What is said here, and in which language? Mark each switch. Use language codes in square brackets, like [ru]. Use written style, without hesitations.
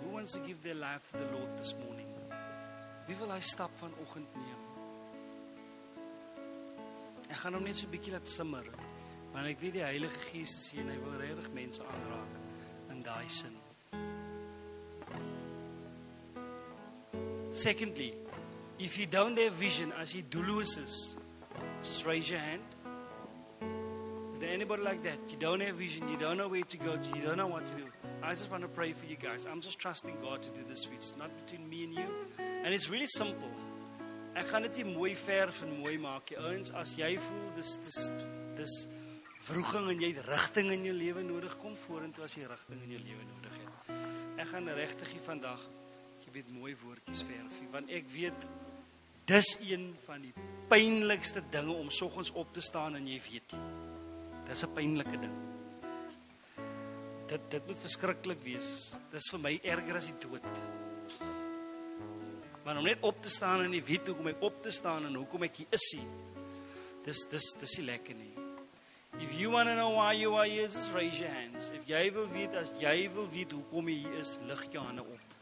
[en] Who wants to give their life to the Lord this morning? [af] Wie wil hy stap vanoggend neem? Ek gaan hom net so 'n bietjie laat simmer, want ek weet die Heilige Gees is hier en hy wil regtig mense aanraak in daai sin. [en] Secondly, if you don't have vision, [af] as jy doelloos is, [en] just raise your hand. Is there anybody like that? You don't have vision, you don't know where to go to, you don't know what to do. I just want to pray for you guys. I'm just trusting God to do this for you. It's not between me and you. And it's really simple. [af] Ek gaan dit nie mooi verf en mooi maak. Jy ouens, as jy voel dis vroeging en jy het rigting in jou lewe nodig, kom vorentoe as jy rigting in jou lewe nodig het. Ek gaan regtig hier vandag met mooi woordjies verf, want ek weet dis een van die pynlikste dinge om soggens op te staan en jy weet nie. Dis 'n pynlike ding. Dit moet verskriklik wees. Dis vir my erger as die dood. Maar om net op te staan en jy weet hoekom ek op te staan en hoekom ek hier is, dis nie lekker nie. [en] If you want to know why you are here, just raise your hands. [af] If jy wil weet, as jy wil weet hoekom jy hier is, lig jou hande op.